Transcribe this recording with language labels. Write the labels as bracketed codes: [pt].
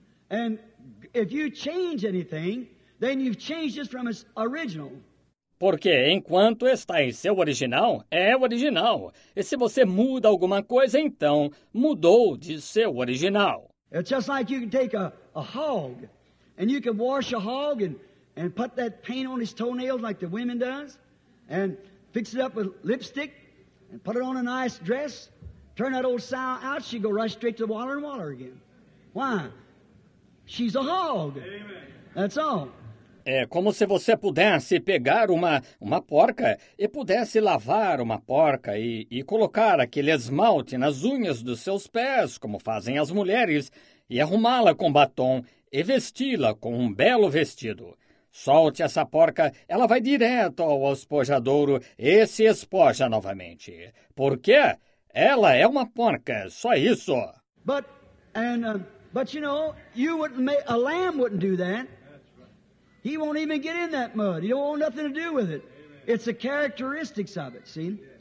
[en] And if you change anything, then you've changed it from its original. [pt] Porque enquanto está em seu original, é original. E se você muda alguma coisa, então mudou de seu original. [en] It's just like you can take a hog, and you can wash a hog and put that paint on his toenails like the women does, and fix it up with lipstick, and put it on a nice dress, turn that old sow out, she go right straight to the water and water again. Why? She's a hog. Amen. That's all. [pt] É como se você pudesse pegar uma porca e pudesse lavar uma porca e colocar aquele esmalte nas unhas dos seus pés, como fazem as mulheres, e arrumá-la com batom e vesti-la com um belo vestido. Solte essa porca, ela vai direto ao espojadouro e se espoja novamente. Por quê? Ela é uma porca, só isso. [en] But you know, you wouldn't make, a lamb wouldn't do that. He won't even get in that mud. He don't want nothing to do with it. Amen. It's the characteristics of it, see?